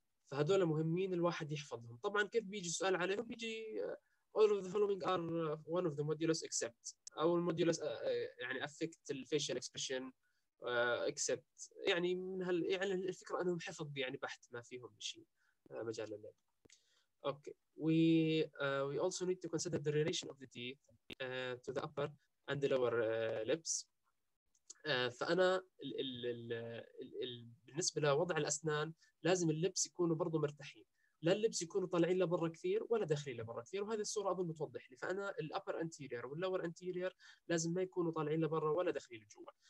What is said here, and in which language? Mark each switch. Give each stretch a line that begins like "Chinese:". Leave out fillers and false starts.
Arabic: فهذول مهمين الواحد يحفظهم. طبعا كيف بيجي السؤال عليهم، بيجي
English: all of the following are one of the modulus except،
Arabic: او الموديولوس يعني affect الفيشل اكسبريشن except، يعني من هال يعني الفكره انهم حفظ يعني بحت، ما فيهم شيء مجال اللعب.
English: Okay, we also need to consider the relation of the teeth to the upper and the lower lips.
Arabic: فأنا ال بالنسبة لوضع الأسنان لازم اللبس يكونوا برضو مرتاحين، لا اللبس يكونوا طالعين لبرا كثير ولا داخلين لبرا كثير، وهذه الصورة أظن بتوضح لي. فأنا ال upper anterior وال lower anterior لازم ما يكونوا طالعين لبرا ولا داخلين لجوا.